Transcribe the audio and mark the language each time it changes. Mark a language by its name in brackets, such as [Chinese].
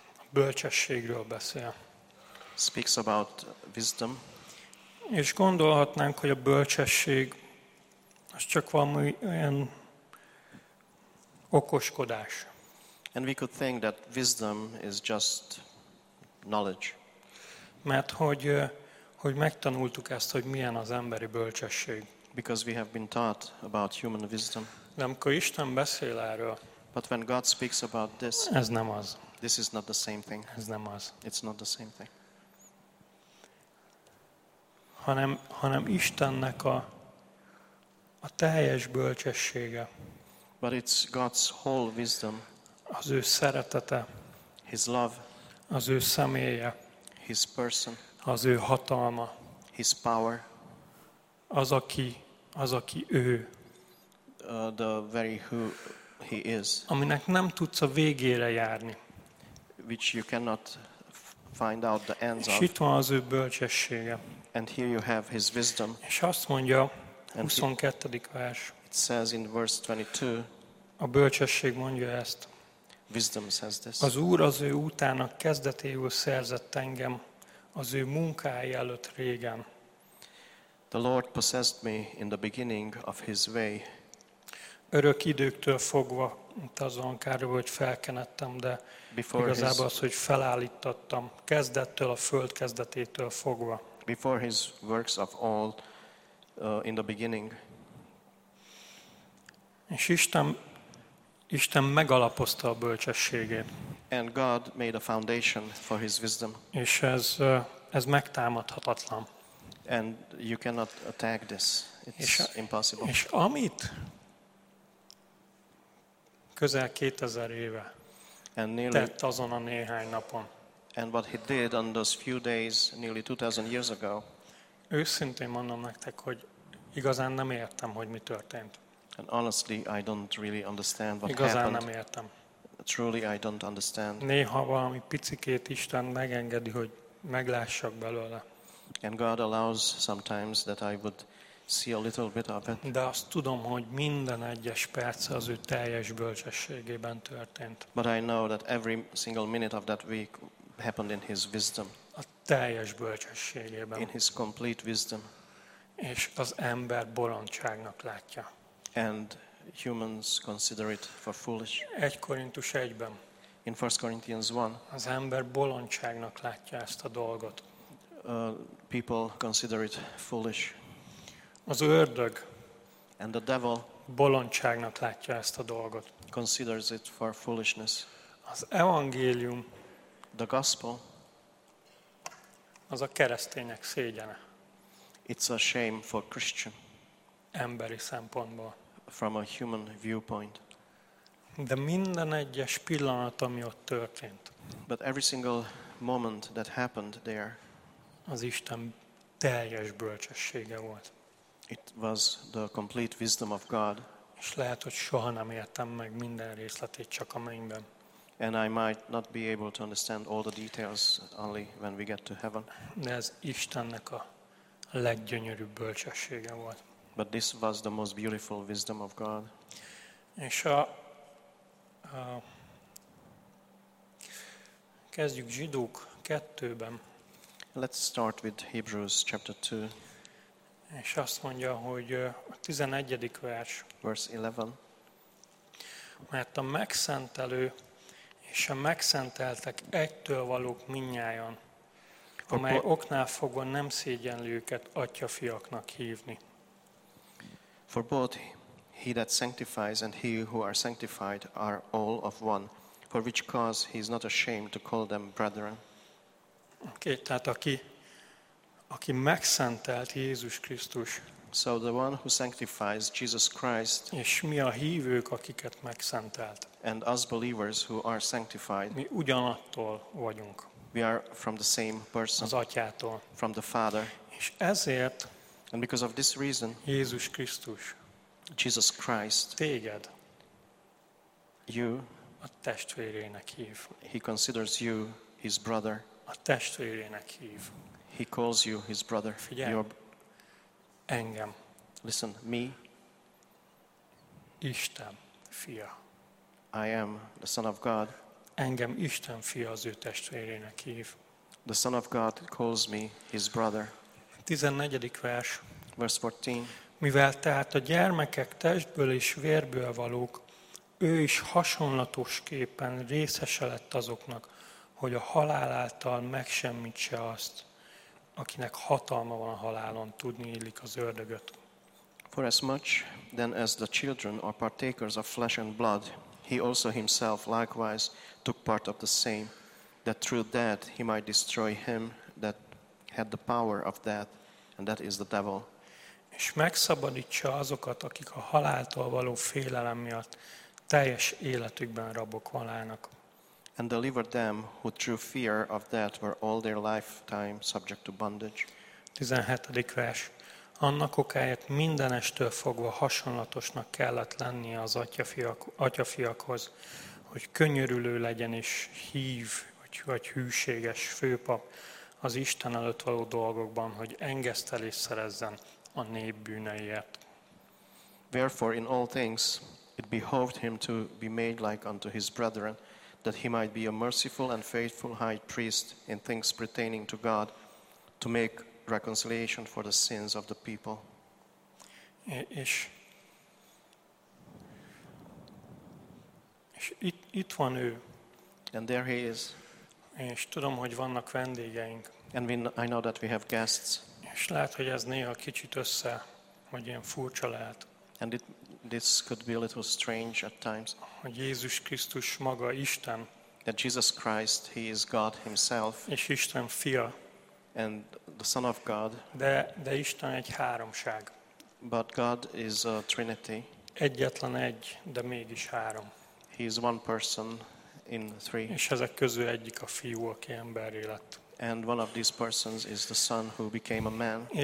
[Hungarian] Bölcsességről beszél. [English] Speaks about wisdom. [Hungarian] És gondolhatnánk, hogy a bölcsesség az csak valami olyan okoskodás. [English] And we could think that wisdom is just knowledge. [Hungarian] Mert hogy megtanultuk ezt, hogy milyen az emberi bölcsesség. [English] Because we have been taught about human wisdom. [Hungarian] De amikor Isten beszél erről. [English] But when God speaks about this. [Hungarian] Ez nem az. [English] This is not the same thing. [Hungarian] Ez nem az. [English] It's not the same thing. [Hungarian] Hanem Istennek a teljes bölcsessége. [English] But it's God's whole wisdom. [Hungarian] Az ő szeretete. [English] His love. [Hungarian] Az ő személye. [English] His person. [Hungarian] Az ő hatalma. [English] His power. [Hungarian] Az aki ő. [English] The very who he is. [Hungarian] Aminek nem tudsz a végére járni. [English] Which you cannot find out the ends [Hungarian] of. És itt van az ő bölcsessége. [English] And here you have his wisdom. [Hungarian] És azt mondja, 22. vers. [English] It says in verse 22. [Hungarian] A bölcsesség mondja ezt. [English] Wisdom says this. [Hungarian] Az Úr az ő útának kezdetéül szerzett engem, az ő munkája előtt régen. [English] The Lord possessed me in the beginning of his way. [Hungarian] Örök időktől fogva, itt azon kárul, hogy felkenettem, de [English] before [Hungarian] igazából az, hogy felállítottam, kezdettől a föld kezdetétől fogva. [English] Before his works of old, in the beginning. [Hungarian] És Isten megalapozta a bölcsességét. [English] And God made a foundation for his wisdom. [Hungarian] És ez megtámadhatatlan. [English] And you cannot attack this. It's impossible. [Hungarian] És amit közel 2000 éve tett azon a néhány napon. [English] And what he did on those few days nearly 2000 years ago. [Hungarian] Őszintén mondom nektek, hogy igazán nem értem, hogy mi történt. [English] And honestly, I don't really understand what [Hungarian] igazán [English] happened. [Hungarian] Nem értem. [English] Truly, I don't understand. [Hungarian] Néha valami picikét Isten megengedi, hogy meglássak belőle. [English] And God allows sometimes that I would see a little bit of it. [Hungarian] De azt tudom, hogy minden egyes perc az ő teljes bölcsességében történt. [English] But I know that every single minute of that week happened in his wisdom. [Hungarian] A teljes bölcsességében. [English] In his complete wisdom. [Hungarian] És az ember borondságnak látja. [English] And humans consider it for foolish. [Hungarian] 1 Korintus 1-ben. [English] In 1 Corinthians 1. [Hungarian] Az ember bolondságnak látja ezt a dolgot. [English] People consider it foolish. [Hungarian] Az ördög. [English] And the devil. [Hungarian] bolondságnak látja ezt a dolgot. [English] Considers it for foolishness. [Hungarian] Az evangélium, [English] the gospel, [Hungarian] az a keresztények szégyene. [English] It's a shame for Christian. [Hungarian] Emberi szempontból. [English] From a human viewpoint. [Hungarian] De minden egyes pillanat, ami ott történt. [English] But every single moment that happened there. [Hungarian] Az Isten teljes bölcsessége volt. [English] It was the complete wisdom of God. [Hungarian] És lehet, hogy soha nem értem meg minden részletét, csak a mennyben. [English] And I might not be able to understand all the details only when we get to heaven. [Hungarian] De ez Istennek a leggyönyörűbb bölcsessége volt. [English] But this was the most beautiful wisdom of God. [Hungarian] És a kezdjük Zsidók 2-ben. [English] Let's start with Hebrews chapter 2. [Hungarian] És azt mondja, hogy a 11. vers. [English] Verse 11. [Hungarian] Mert a megszentelő és a megszenteltek egytől valók minnyájan, amely oknál fogva nem szégyenli őket atyafiaknak hívni. [English] For both he that sanctifies and he who are sanctified are all of one, for which cause he is not ashamed to call them brethren. [Hungarian] Okay, tehát aki megszentelt Jézus Krisztus. [English] So the one who sanctifies Jesus Christ. [Hungarian] És mi a hívők, akiket megszentelt. [English] And us believers who are sanctified. [Hungarian] Mi ugyanattól vagyunk. [English] We are from the same person. [Hungarian] Az atyától. [English] From the Father. [Hungarian] És ezért. [English] And because of this reason. [Hungarian] Jézus Krisztus. [English] Jesus Christ. [Hungarian] Téged. [English] You. [Hungarian] A testvérének hív. [English] He considers you his brother. [Hungarian] A testvérének hív. [English] He calls you his brother. [Hungarian] Figyelj. Your engem. [English] Listen, me. [Hungarian] Isten fia. [English] I am the Son of God. [Hungarian] Engem Isten fia az ő testvérének hív. [English] The Son of God calls me his brother. [Hungarian] 14. vers. [English] Verse 14. [Hungarian] Mivel tehát a gyermekek testből és vérből valók, ő is hasonlatosképpen részese lett azoknak, hogy a halál által megsemmítse azt, akinek hatalma van a halálon, tudni illik az ördögöt. [English] For as much then as the children are partakers of flesh and blood, he also himself likewise took part of the same, that through death he might destroy him that had the power of death, and that is the devil. [Hungarian] És megszabadítsa azokat, akik a haláltól való félelem miatt teljes életükben rabok halálnak. [English] And deliver them who through fear of death were all their lifetime subject to bondage. [Hungarian] 17. vers. Annak okáért mindenestől fogva hasonlatosnak kellett lennie az atyafiakhoz, hogy könyörülő legyen és hív, vagy hűséges főpap az Isten előtt való dolgokban, hogy engesztelést szerezzen a nép bűneiért. [English] Wherefore in all things it behoved him to be made like unto his brethren, that he might be a merciful and faithful high priest in things pertaining to God, to make reconciliation for the sins of the people. [Hungarian] És itt van ő. [English] And there he is. [Hungarian] És tudom, hogy vannak vendégeink. [English] And I know that we have guests. [Hungarian] És lehet, hogy ez néha kicsit össze, vagy ilyen furcsa lehet. [English] And this could be a little strange at times. [Hungarian] Hogy Jézus Krisztus maga Isten. [English] That Jesus Christ, he is God himself. [Hungarian] És Isten fia. [English] And the Son of God. [Hungarian] De Isten egy háromság. [English] But God is a Trinity. [Hungarian] Egyetlen egy, de mégis három. [English] He is one person in three. [Hungarian] És ezek közül egyik a fiú, aki emberré lett. [English] And one of these persons is the Son who became a man.